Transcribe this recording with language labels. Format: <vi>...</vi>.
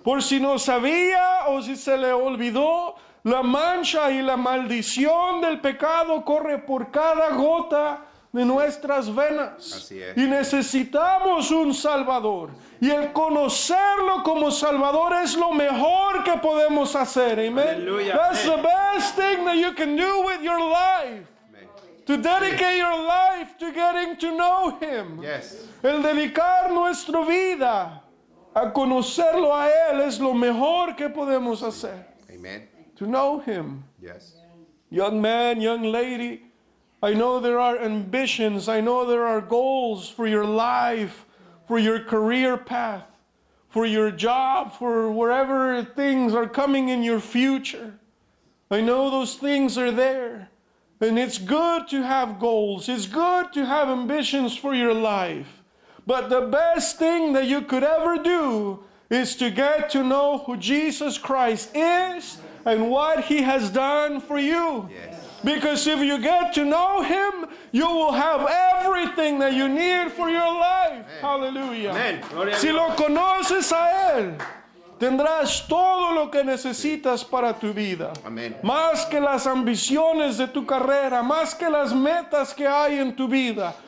<es>Por si no sabía o si se le olvidó, la mancha y la maldición del pecado corre por cada gota de nuestras venas. Así es. Y necesitamos un Salvador. Y el conocerlo como Salvador es lo mejor que podemos hacer. Amen. Aleluya.</es> <en>That's Amen. The best thing that you can do with your life. Amen. To dedicate Yes. your life to getting to know Him. Yes.</en> <es>El dedicar nuestra vida a conocerlo a Él es lo mejor que podemos hacer. Amen.</es> <en>To know Him. Yes. Young man, young lady, I know there are ambitions. I know there are goals for your life, for your career path, for your job, for wherever things are coming in your future. I know those things are there. And it's good to have goals. It's good to have ambitions for your life. But the best thing that you could ever do is to get to know who Jesus Christ is and what He has done for you. Yes. Because if you get to know Him, you will have everything that you need for your life. Amen. Hallelujah. Amen.</en> <es>Si lo conoces a Él, tendrás todo lo que necesitas para tu vida. Amen. Más que las ambiciones de tu carrera, más que las metas que hay en tu vida.</es>